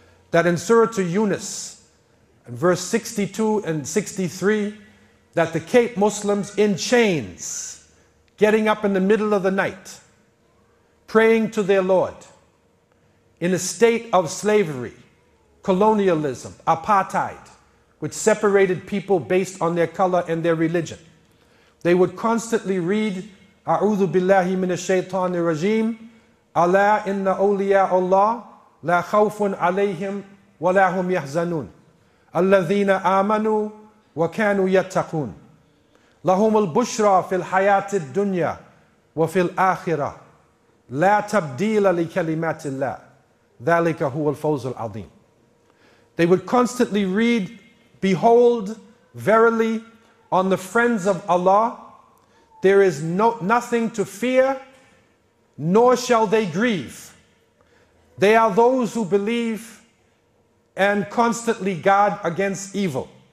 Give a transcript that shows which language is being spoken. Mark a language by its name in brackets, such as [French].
[English] That in Surah to Yunus, in verse 62 and 63, that the Cape Muslims in chains, getting up in the middle of the night, praying to their Lord, in a state of slavery, colonialism, apartheid, which separated people based on their color and their religion. They would constantly read, [Arabic] A'udhu billahi minash shaitanir rajim, Allah inna awliya Allah, la khawfun alayhim, وَلَا هُمْ يَحْزَنُونَ الَّذِينَ آمَنُوا وَكَانُوا يَتَّقُونَ لَهُمُ الْبُشْرَى فِي الْحَيَاةِ الدُّنْيَا وَفِي الْآخِرَةِ لَا تَبْدِيلَ لِكَلِمَاتِ اللَّهِ ذَلِكَ هُوَ الْفَوْزُ الْعَظِيمُ. [English] They would constantly read, behold, verily, on the friends of Allah, there is nothing to fear, nor shall they grieve. They are those who believe and constantly guard against evil.